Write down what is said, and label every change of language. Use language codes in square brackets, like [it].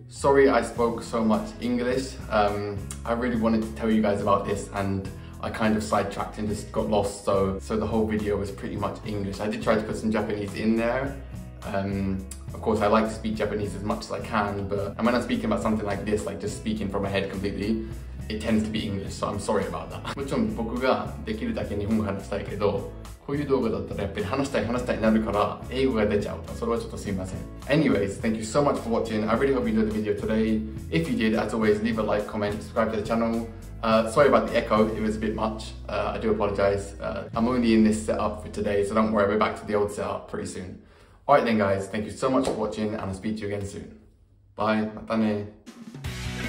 [en] Sorry I spoke so much English. I really wanted to tell you guys about this and I kind of sidetracked and just got lost, so the whole video was pretty much English. I did try to put some Japanese in there. Of course, I like to speak Japanese as much as I can, but and when I'm speaking about something like this, like just speaking from my head completely, it tends to be English, so I'm sorry about that. [ja] もちろん僕ができるだけ日本語話したいけど、こういう動画だったらやっぱり話したいになるから英語が出ちゃうと、それはちょっとすみません。 [en] Anyways, thank you so much for watching. I really hope you enjoyed the video today. If you did, as always, leave a like, comment, subscribe to the channel. Sorry about the echo, it was a bit much. I do apologize. I'm only in this setup for today, so don't worry, we're back to the old setup pretty soon. Alright then guys, thank you so much for watching and I'll speak to you again soon. Bye, [ja] またね。